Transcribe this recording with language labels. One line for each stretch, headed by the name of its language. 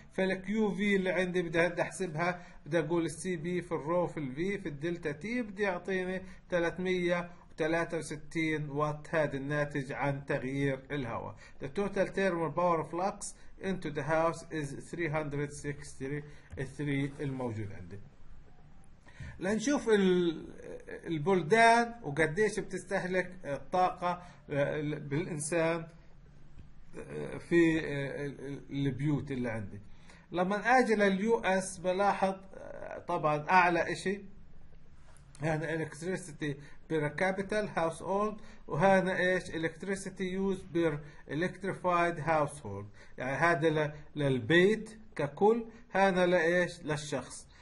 Arabic: فالكيو في اللي عندي بدي احسبها، بدي اقول السي بي في الرو في الفي في الدلتا تي، بدي يعطيني 363 وات، هذا الناتج عن تغيير الهواء.
English: The total thermal power flux into the house is 363
Arabic: الموجود عندي. لنشوف البلدان وقديش بتستهلك الطاقة بالإنسان في البيوت اللي عندي. لما اجي لليو اس بلاحظ طبعا اعلى اشي هنا
English: electricity per capital household،
Arabic: وهنا ايش
English: electricity used per electrified household،
Arabic: يعني هذا للبيت ككل، هنا لايش للشخص.